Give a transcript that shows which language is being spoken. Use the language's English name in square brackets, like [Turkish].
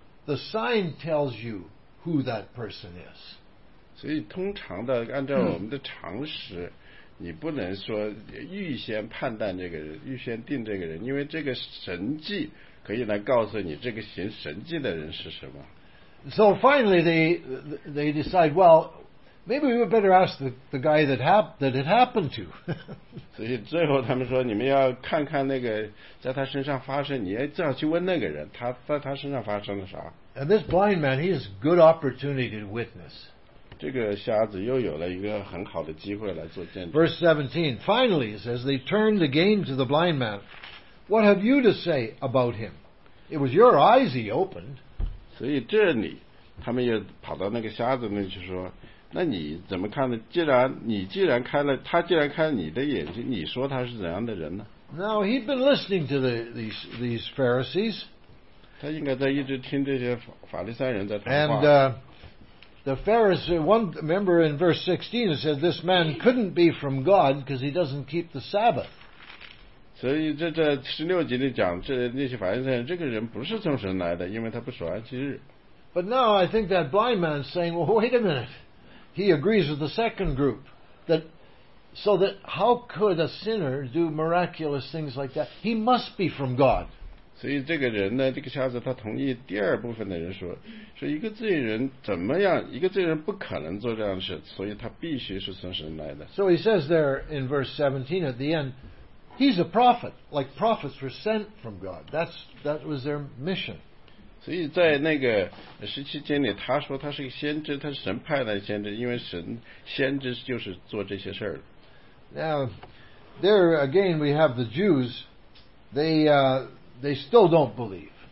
[English] The sign tells you who that person is. [Chinese] 所以通常的按照我们的常识、嗯、你不能说预先判断这个人预先定这个人因为这个神迹可以来告诉你这个行神迹的人是什么。 [English] So finally they decide, well,Maybe we would better ask the guy that it happened to. [Chinese] 所以最后他们说你们要看看那个在他身上发生你最好去问那个人他在他身上发生了啥。 [English] And this blind man, he has good opportunity to witness. [Chinese] 这个瞎子又有了一个很好的机会来做见证。 [English] Verse 17, finally, it says, they turned again to the blind man. What have you to say about him? It was your eyes he opened. [Chinese] 所以这里他们又跑到那个瞎子那去说那你怎么看呢？既然开了，他既然开了你的眼睛，你说他是怎样的人呢 [English] ？Now he'd been listening to these Pharisees. [Chinese] 他应该在一直听这些法利赛人在谈话。 [English] And the Pharisee, one member in verse 16 said this man couldn't be from God because he doesn't keep the Sabbath. [Chinese] 所以这十六节里讲这那些法利赛人，这个人不是从神来的，因为他不守安息日。 [English] But now I think that blind man saying, "Well, wait a minute." He agrees with the second group that so that how could a sinner do miraculous things like that? He must be from God. [Chinese] 所以这个人呢，这个瞎子他同意第二部分的人说，说一个罪人怎么样，一个罪人不可能做这样的事，所以他必须是从神来的。 [English] So he says there in verse 17 at the end, he's a prophet, like prophets were sent from God. That was their mission. [Chinese] 所以在那个十七节里，他说他是个先知，他是神派来的先知，因为神先知就是做这些事儿。 [English] Now, there again we have the Jews. They still don't believe.